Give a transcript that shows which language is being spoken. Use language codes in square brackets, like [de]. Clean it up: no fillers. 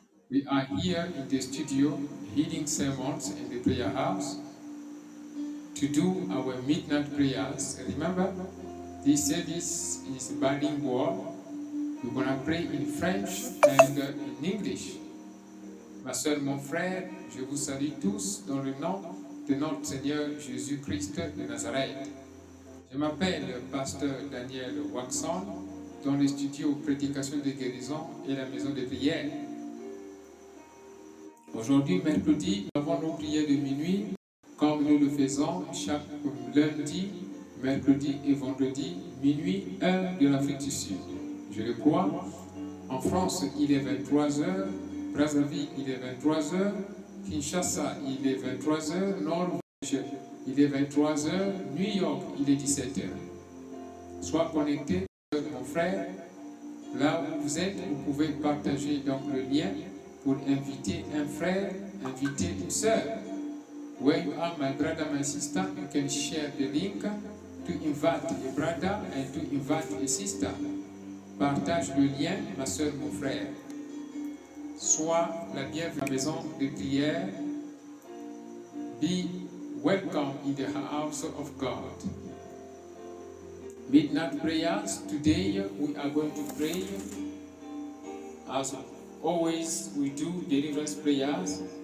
[en] We are here in the studio, healing sermons in the prayer house, to do our midnight prayers. Remember, this service is bilingual. We're going to pray in French and in English. [fr] Ma soeur, mon frère, je vous salue tous dans le nom de notre Seigneur Jésus-Christ de Nazareth. Je m'appelle Pasteur Daniel Waxon, dans le studio Prédication de guérison et la maison de prière. Aujourd'hui, mercredi, nous avons nos prières de minuit, comme nous le faisons chaque lundi, mercredi et vendredi, minuit, heure de l'Afrique du Sud. Je le crois, en France, il est 23h, Brazzaville, il est 23h, Kinshasa, il est 23h, Norvège, il est 23h, New York, il est 17h. Sois connecté, mon frère, là où vous êtes, vous pouvez partager donc le lien pour inviter un frère, inviter une sœur. [en] Where you are, my brother, my sister, you can share the link to invite a brother and to invite a sister. [fr] Partage le lien, ma sœur, mon frère. Sois la bienvenue à la maison de prière. [en] Be welcome in the house of God. Midnight prayers. Today we are going to pray, as always we do, deliverance prayers.